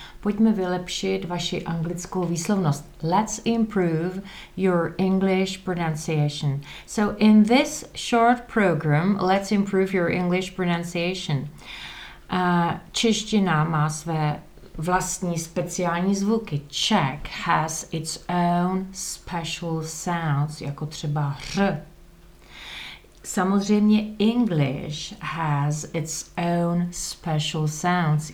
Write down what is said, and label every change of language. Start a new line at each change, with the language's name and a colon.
Czech: Pojďme vylepšit vaši anglickou výslovnost.
English: Let's improve your English pronunciation. So in this short program, let's improve your English pronunciation.
Czech: Čeština má své vlastní speciální zvuky.
English: Czech has its own special sounds,
Czech: jako třeba r. Samozřejmě,
English: English has its own special sounds.